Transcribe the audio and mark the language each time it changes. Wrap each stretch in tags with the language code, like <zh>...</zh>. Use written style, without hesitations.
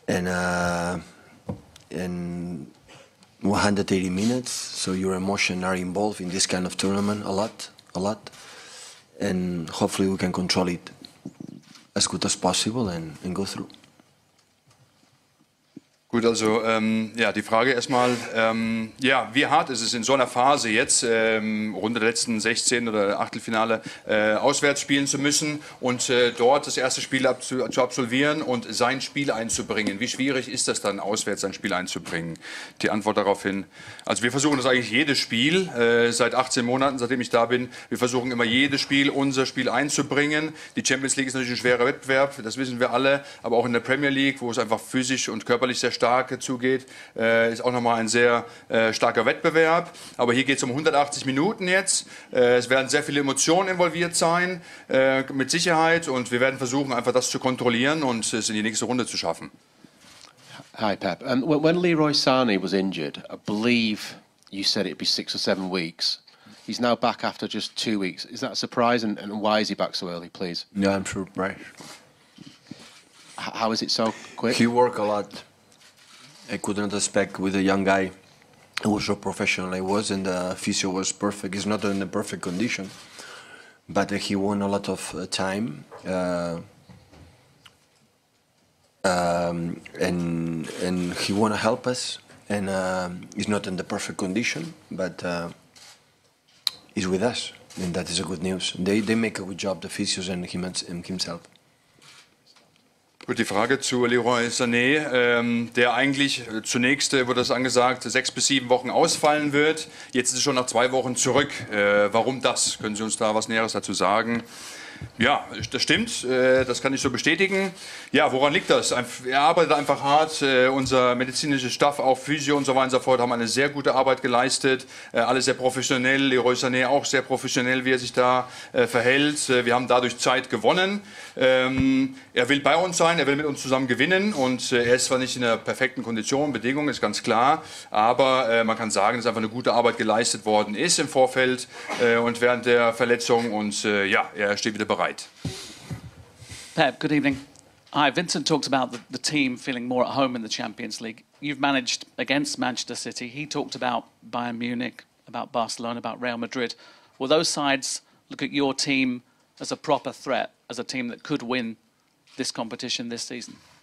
<en>And 180 minutes, so your emotions are involved in this kind of tournament a lot. And hopefully we can control it as good as possible and go through.</en> <de>Gut, also ja, die Frage erstmal, ja, wie hart ist es in so einer Phase jetzt, rund der letzten 16 oder Achtelfinale auswärts spielen zu müssen und dort das erste Spiel zu absolvieren und sein Spiel einzubringen? Wie schwierig ist das dann, auswärts sein Spiel einzubringen? Die Antwort daraufhin, also wir versuchen das eigentlich jedes Spiel, seit 18 Monaten, seitdem ich da bin, wir versuchen immer jedes Spiel, unser Spiel einzubringen. Die Champions League ist natürlich ein schwerer Wettbewerb, das wissen wir alle, aber auch in der Premier League, wo es einfach physisch und körperlich sehr starke zugeht, ist auch nochmal ein sehr starker Wettbewerb. Aber hier geht es um 180 Minuten jetzt. Es werden sehr viele Emotionen involviert sein, mit Sicherheit. Und wir werden versuchen, einfach das zu kontrollieren und es in die nächste Runde zu schaffen.</de> <en>Hi Pep. When Leroy Sané was injured, I believe you said it'd be 6 or 7 weeks. He's now back after just 2 weeks. Is that a surprise and why is he back so early, please? No, I'm surprised. How is it so quick? He worked a lot. I couldn't expect with a young guy who was so professional I was, and the physio was perfect. He's not in the perfect condition, but he won a lot of time. And he want to help us, and he's not in the perfect condition, but he's with us, and that is a good news. They make a good job, the physios and himself.</en> <de>Gut, die Frage zu Leroy Sané, der eigentlich zunächst, wurde es angesagt, 6 bis 7 Wochen ausfallen wird. Jetzt ist er schon nach 2 Wochen zurück. Warum das? Können Sie uns da was Näheres dazu sagen? Ja, das stimmt. Das kann ich so bestätigen. Ja, woran liegt das? Er arbeitet einfach hart. Unser medizinisches Staff, auch Physio und so weiter und so fort, haben eine sehr gute Arbeit geleistet. Alle sehr professionell. Leroy Sané auch sehr professionell, wie er sich da verhält. Wir haben dadurch Zeit gewonnen. Er will bei uns sein. Er will mit uns zusammen gewinnen. Und er ist zwar nicht in der perfekten Kondition, Bedingung, ist ganz klar. Aber man kann sagen, dass einfach eine gute Arbeit geleistet worden ist im Vorfeld und während der Verletzung. Und ja, er steht wieder bereit.</de> <en>Pep, good evening. Hi, Vincent talked about the team feeling more at home in the Champions League. You've managed against Manchester City. He talked about Bayern Munich, about Barcelona, about Real Madrid. Will those sides look at your team as a proper threat, as a team that could win this competition this season?</en>